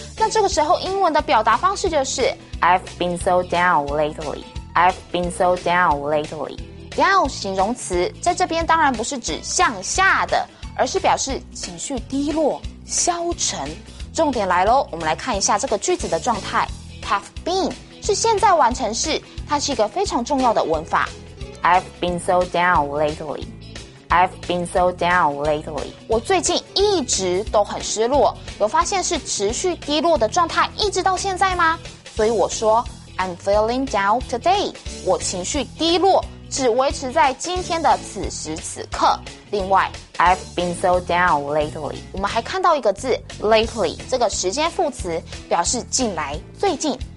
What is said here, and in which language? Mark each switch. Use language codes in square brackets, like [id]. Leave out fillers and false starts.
[zh] 那这个时候英文的表达方式就是 [en] I've been so down lately, [zh] I've been so down lately。 Down 是形容词，在这边当然不是指向下的，而是表示情绪低落消沉。重点来咯，我们来看一下这个句子的状态。 Have been 是现在完成式，它是一个非常重要的文法。 [en] I've been so down latelyI've been so down lately. [zh] 我最近一直都很失落，有发现是持续低落的状态一直到现在吗？所以我说 [en] I'm feeling down today. [zh] 我情绪低落只维持在今天的此时此刻。另外 [en] I've been so down lately. [zh] 我们还看到一个字 lately, 这个时间副词表示近来最近。